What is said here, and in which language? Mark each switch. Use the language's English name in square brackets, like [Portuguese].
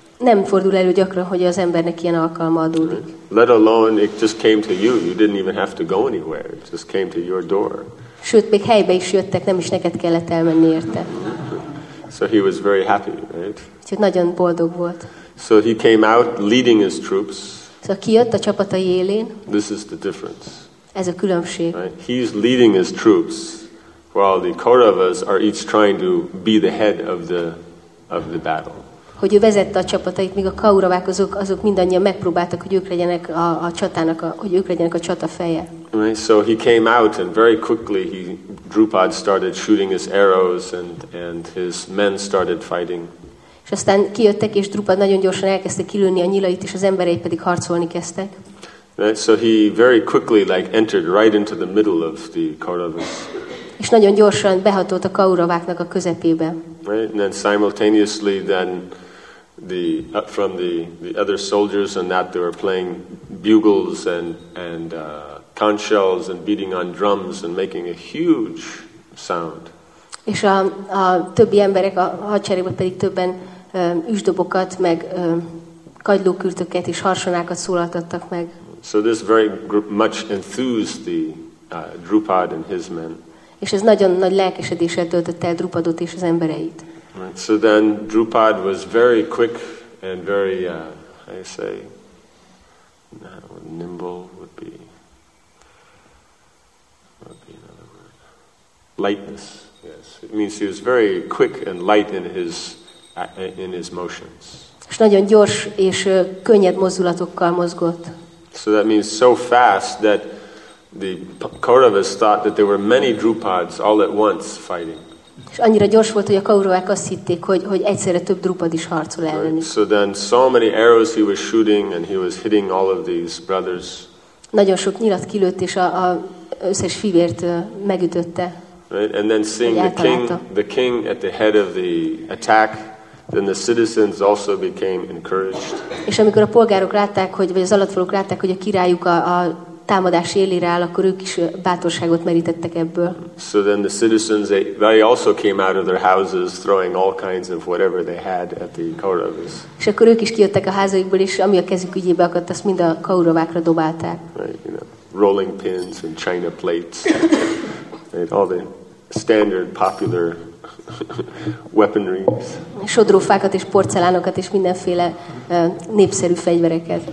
[Hungarian] Nem fordul elő gyakran, hogy az embernek ilyen alkalma adódik. [English] Right. Let alone it just came to you. You didn't even have to go anywhere. It just came to your door. [Hungarian] Sőt, még helybe is jöttek, nem is neked kellett elmenni érte. [English] So he was very happy, right? [Hungarian] Úgyhogy nagyon boldog volt. [English] So he came out leading his troops. [Hungarian] Szóval kijött a csapatai élén. [English] This is the difference. [Hungarian] Ez a különbség. [English] Right? He's leading his troops while the Kauravas are each trying to be the head of the battle. [Hungarian] Hogy ő vezette a csapatait, míg a Kauravák azok mindannyian megpróbáltak, hogy ők legyenek a csatának, hogy ők legyenek a csata feje. [English] Right? So he came out and very quickly Drupad started shooting his arrows and his men started fighting. [Hungarian] És aztán kijöttek, és Drupad nagyon gyorsan elkezdte kilőni a nyilait, és az emberei pedig harcolni kezdtek. [English] Right, so he very quickly like entered right into the middle of the Kauravas. [Hungarian] És nagyon gyorsan behatolt a Kauraváknak a közepébe. [English] Right, and then simultaneously then the from the other soldiers and that they were playing bugles and conch shells and beating on drums and making a huge sound. [Hungarian] És a többi emberek a hadseregben pedig többen üsdobokat, meg kagylókürtöket és harsonákat szólaltattak meg. [English] So this very much enthused the Drupad and his men. [Hungarian] És ez nagyon nagy lelkesedéssel töltötte el Drupadot és az embereit. [English] Right. So then Drupad was very quick and very, how you say, nimble would be another word, lightness. It means he was very quick and light in his motions. [Hungarian] És nagyon gyors és könnyed mozdulatokkal mozgott. [English] So that means so fast that the Kauravas thought that there were many Drupads all at once fighting. [Hungarian] És annyira gyors volt, hogy a Kauravák azt hitték, hogy egyszerre több Drupad is harcol ellenük. [English] So then so many arrows he was shooting and he was hitting all of these brothers. [Hungarian] Nagyon sok nyilat kilőtt és a összes fivért megütötte. [English] Right? And then seeing the king at the head of the attack, then the citizens also became encouraged. [Hungarian] És amikor a polgárok látták, hogy vagy az alattvalók látták, hogy a királyuk a támadás élére áll, akkor ők is bátorságot merítettek ebből. [English] So then the citizens, they also came out of their houses throwing all kinds of whatever they had at the Kauravas. [Hungarian] És akkor ők is kijöttek a házaikból, és ami a kezük ügyébe akadt, azt mind a Kauravákra dobálták. [English] Right, you know, rolling pins and china plates. All the standard popular weaponry. [Hungarian] Sodrófákat és porcelánokat és mindenféle népszerű fegyvereket.